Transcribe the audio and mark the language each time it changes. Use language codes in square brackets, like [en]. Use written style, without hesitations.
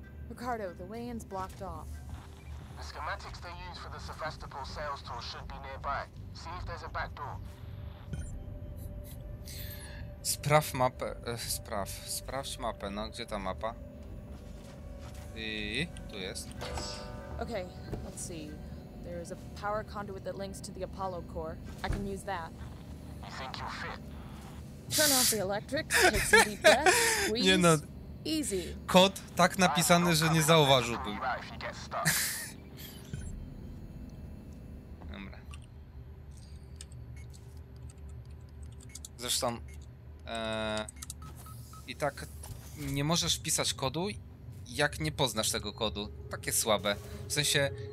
[en] Ricardo, the weigh-in's blocked off. The schematics they use for the Sevastopol sales tour should be nearby. See if there's a back door. [pl] Spraw mapę. Sprawdź mapę, no gdzie ta mapa? I tu jest. [en] Okay, let's see. There is a power conduit that links to the Apollo core. I can use that. You think you'll fit? Turn off the electric, take some deep breaths, squeeze, easy. [pl] Kod tak napisany, że nie zauważyłbym. Dobra. Zresztą... i tak nie możesz pisać kodu, jak nie poznasz tego kodu. Takie słabe. W sensie...